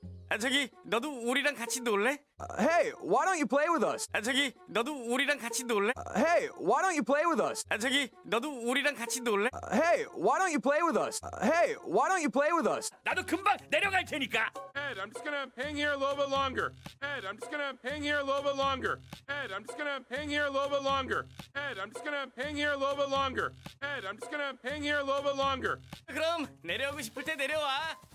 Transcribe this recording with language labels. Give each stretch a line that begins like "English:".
Korean: 아, 저기 너도 우리랑 같이 놀래?
English: Hey, why don't you play with us?
Korean: 아, 저기 너도 우리랑 같이 놀래?
English: Hey, why don't you play with us?
Korean: 아, 저기 너도 우리랑 같이 놀래?
English: Hey, why don't you play with us? Hey, why don't you play with us?
Korean: 나도 금방 내려갈 테니까.
English: Ed, I'm just gonna hang here a little bit longer. Ed, I'm just gonna hang here a little bit longer. Ed, I'm just gonna hang here a little bit longer. Ed, I'm just gonna hang here a little bit longer. Ed, I'm just gonna hang here a little bit longer.
Korean: 그럼 내려오고 싶을 때 내려와.